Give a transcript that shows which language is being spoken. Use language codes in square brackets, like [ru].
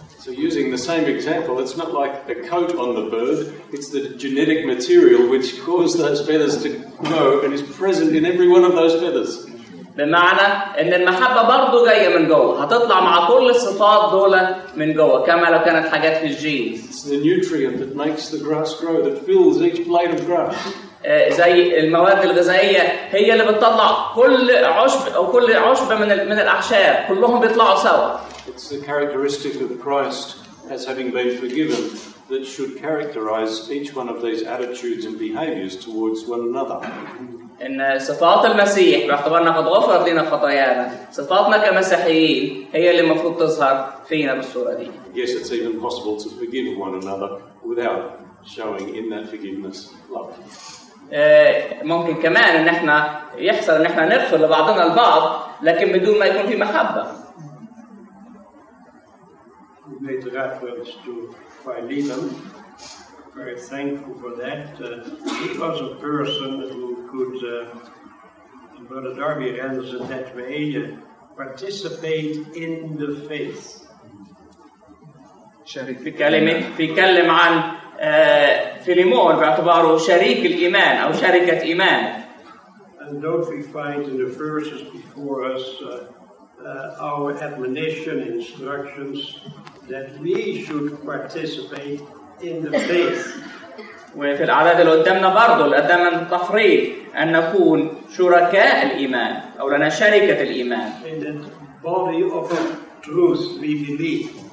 [en] So using the same example, it's not like a coat on the bird, it's the genetic material which caused those feathers to grow and is present in every one of those feathers. [ar] بمعنى ان المحبه برضه جايه من جوه هتطلع مع كل الصفات دول من جوه كما لو كانت حاجات في الجينز. [en] It's the nutrient that makes the grass grow, that fills each blade of grass. [ar] زي المواد الغذائية هي اللي بتطلع كل عشب أو كل عشبة من الأعشاب كلهم بيطلعوا سوا. [en] It's the characteristic of Christ as having been forgiven that should characterize each one of these attitudes and behaviors towards one another. [ar] إن صفات المسيح باعتبارنا قد غفر لنا خطايانا صفاتنا كمسيحيين هي اللي المفروض تظهر فينا بالصورة دي. [en] Yes, it's even possible to forgive one another without showing in that forgiveness love. [ar] ممكن كمان ان احنا يحصل ان احنا نغفر لبعضنا البعض لكن بدون ما يكون في محبة. [en] We made reference to Philemon. Very thankful for that. He was a person who could, Brother Darby Randall said that way, participate in the faith. [ar] شريف بيتكلم عن فيليمون باعتباره شريك الإيمان أو شركة إيمان. [en] And don't we find in the verses before us our admonition, instructions that we should participate in the faith. [ar] وفي الأعداد اللي قدامنا برضه اللي قدامنا التفريق أن نكون شركاء الإيمان أو لنا شركة الإيمان. [en] In the body of a truth we believe.